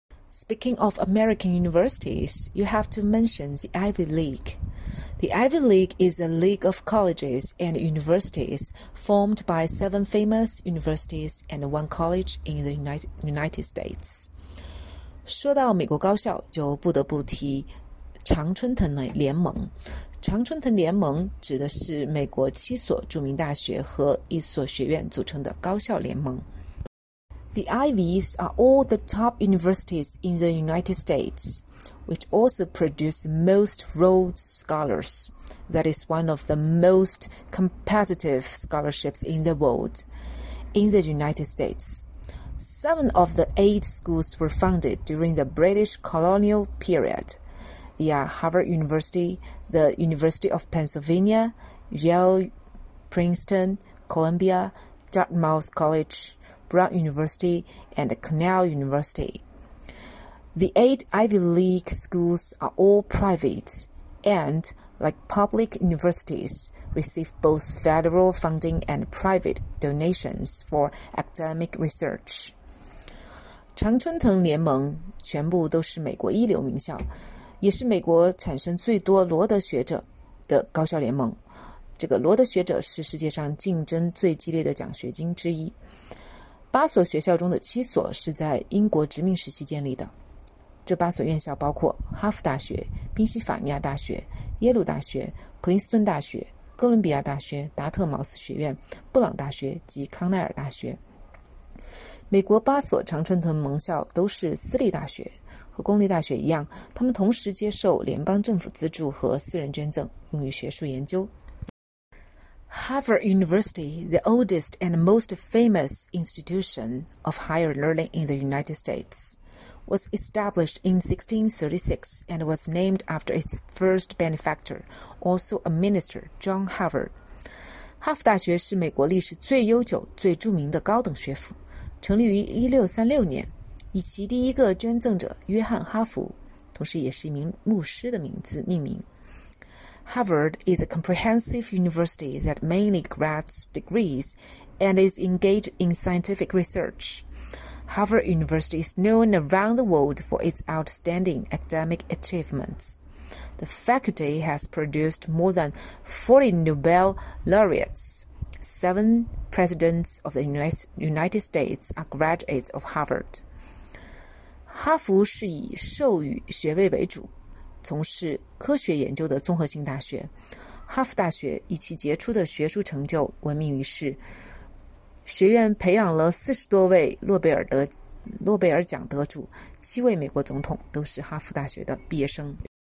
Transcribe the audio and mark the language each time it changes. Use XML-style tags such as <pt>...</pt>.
<en>Speaking of American universities, you have to mention the Ivy League. The Ivy League is a league of colleges and universities formed by seven famous universities and one college in the United States.</en> <zh>说到美国高校，就不得不提常春藤联盟。常春藤联盟指的是美国七所著名大学和一所学院组成的高校联盟。</zh> <en>The Ivies are all the top universities in the United States, which also produce most Rhodes Scholars. That is one of the most competitive scholarships in the world. In the United States, seven of the eight schools were founded during the British colonial period. They are Harvard University, the University of Pennsylvania, Yale, Princeton, Columbia, Dartmouth College,Brown University, and Cornell University. The eight Ivy League schools are all private and, like public universities, receive both federal funding and private donations for academic research.</en> <zh>常春藤联盟全部都是美国一流名校，也是美国产生最多罗德学者的高校联盟。这个罗德学者是世界上竞争最激烈的奖学金之一。八所学校中的七所是在英国殖民时期建立的。这八所院校包括哈佛大学、宾夕法尼亚大学、耶鲁大学、普林斯顿大学、哥伦比亚大学、达特茅斯学院、布朗大学及康奈尔大学。美国八所常春藤盟校都是私立大学，和公立大学一样，他们同时接受联邦政府资助和私人捐赠，用于学术研究。</zh> <en>Harvard University, the oldest and most famous institution of higher learning in the United States, was established in 1636 and was named after its first benefactor, also a minister, John Harvard.</en> <zh>哈佛大学是美国历史最悠久、最著名的高等学府，成立于1636年，以其第一个捐赠者约翰·哈佛，同时也是一名牧师的名字命名。</zh> <en>Harvard is a comprehensive university that mainly grants degrees and is engaged in scientific research. Harvard University is known around the world for its outstanding academic achievements. The faculty has produced more than 40 Nobel laureates. Seven presidents of the United States are graduates of Harvard.</en> <zh>哈佛是以授予学位为主。从事科学研究的综合性大学，哈佛大学以其杰出的学术成就闻名于世。学院培养了四十多位诺贝尔奖得主，七位美国总统都是哈佛大学的毕业生。</zh>